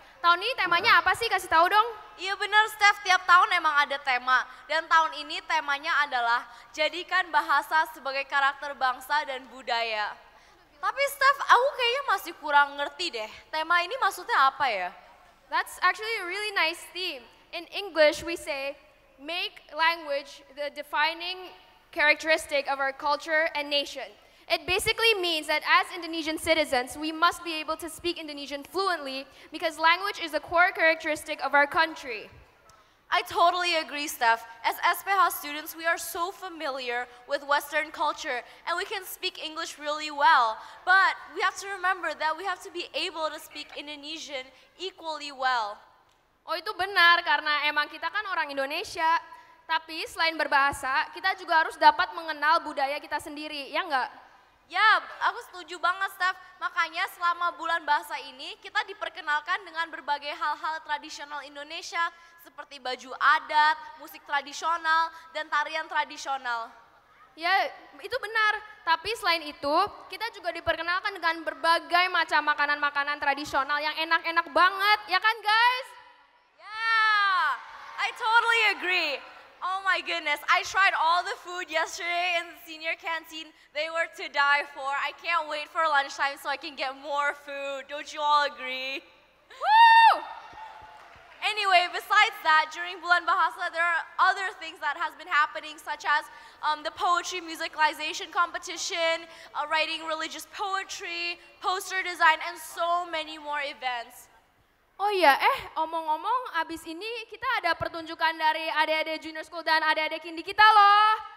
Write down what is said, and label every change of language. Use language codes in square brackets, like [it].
[id] Tahun ini temanya apa sih? Kasih tahu dong. Iya benar, Steph. Tiap tahun emang ada tema. Dan tahun ini temanya adalah jadikan bahasa sebagai karakter bangsa dan budaya. Tapi Steph, aku kayaknya masih kurang ngerti deh. Tema ini maksudnya apa ya? [en] That's actually a really nice theme. In English, we say make language the defining characteristic of our culture and nation. It basically means that as Indonesian citizens, we must be able to speak Indonesian fluently because language is a core characteristic of our country. I totally agree, Steph. As SPH students, we are so familiar with Western culture and we can speak English really well. But we have to remember that we have to be able to speak Indonesian equally well. [id] Oh, itu benar, karena emang kita kan orang Indonesia. Tapi selain berbahasa, kita juga harus dapat mengenal budaya kita sendiri, ya enggak? Ya, aku setuju banget, Steph. Makanya selama bulan bahasa ini, kita diperkenalkan dengan berbagai hal-hal tradisional Indonesia, seperti baju adat, musik tradisional, dan tarian tradisional. Ya, itu benar. Tapi selain itu, kita juga diperkenalkan dengan berbagai macam makanan-makanan tradisional yang enak-enak banget, ya kan, guys? [en] Ya, yeah, I totally agree. Oh my goodness, I tried all the food yesterday in the senior canteen. They were to die for. I can't wait for lunchtime so I can get more food. Don't you all agree? Woo! Anyway, besides that, during Bulan Bahasa, there are other things that has been happening, such as the poetry musicalization competition, writing religious poetry, poster design, and so many more events. [id] Oh iya, omong-omong abis ini kita ada pertunjukan dari adik-adik junior school dan adik-adik kindi kita loh.